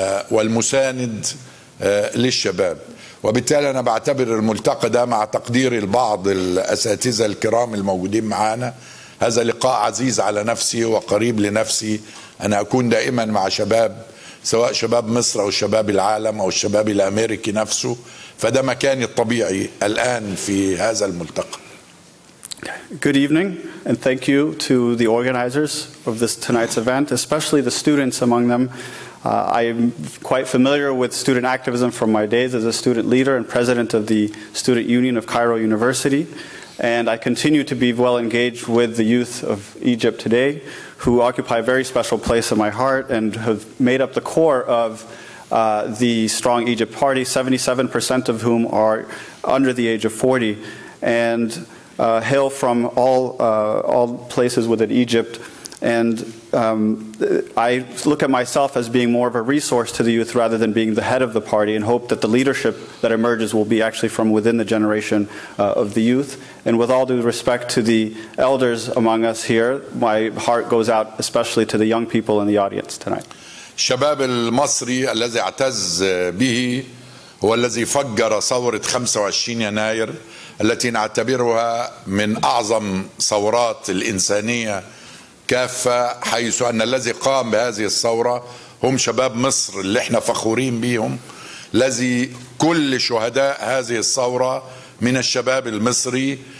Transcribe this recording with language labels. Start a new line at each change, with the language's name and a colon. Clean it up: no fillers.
Arabic: والمساند للشباب وبالتالي أنا بعتبر الملتقى ده مع تقدير البعض الأساتذة الكرام الموجودين معنا هذا لقاء عزيز على نفسي وقريب لنفسي أنا أكون دائما مع شباب سواء شباب مصر أو شباب العالم أو الشباب الأمريكي نفسه فده مكاني الطبيعي الآن في هذا الملتقى
English: Good evening, and thank you to the organizers of this tonight's event, especially the students among them. I am quite familiar with student activism from my days as a student leader and president of the Student Union of Cairo University. And I continue to be well engaged with the youth of Egypt today, who occupy a very special place in my heart and have made up the core of the Strong Egypt Party, 77% of whom are under the age of 40, and hail from all places within Egypt. And I look at myself as being more of a resource to the youth rather than being the head of the party, and hope that the leadership that emerges will be actually from within the generation of the youth. And with all due respect to the elders among us here, my heart goes out especially to the young people in the audience tonight.
Arabic: الشباب المصري الذي اعتز به هو الذي فجر ثورة 25 يناير التي نعتبرها من أعظم ثورات الإنسانية كافة، حيث أن الذي قام بهذه الثورة هم شباب مصر اللي احنا فخورين بهم، الذي كل شهداء هذه الثورة من الشباب المصري.